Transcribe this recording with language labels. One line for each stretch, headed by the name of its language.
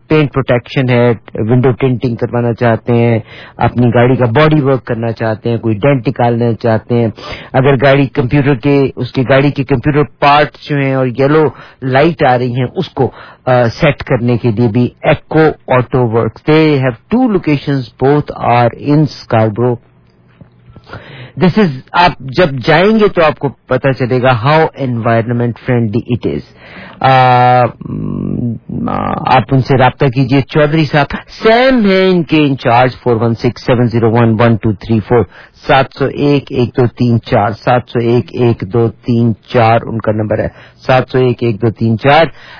Urdu: Pant protection ہے, window ٹینٹنگ کروانا چاہتے ہیں, اپنی گاڑی کا باڈی ورک کرنا چاہتے ہیں, کوئی ڈینٹ نکالنا چاہتے ہیں, اگر گاڑی کمپیوٹر کے اس کی گاڑی کے کمپیوٹر پارٹس جو ہیں اور یلو لائٹ آ رہی ہیں اس کو سیٹ کرنے کے لیے بھی eco auto works.
English: They have two locations, both are in Scarborough.
Urdu: دس از, آپ جب جائیں گے تو آپ کو پتا چلے گا
English: How environment friendly it is.
Urdu: آپ ان سے رابطہ کیجیے. چودھری صاحب سیم ہیں ان کے انچارج, 416-701-1234, 701-1234, 701-1234 ان کا نمبر ہے, 701-1234.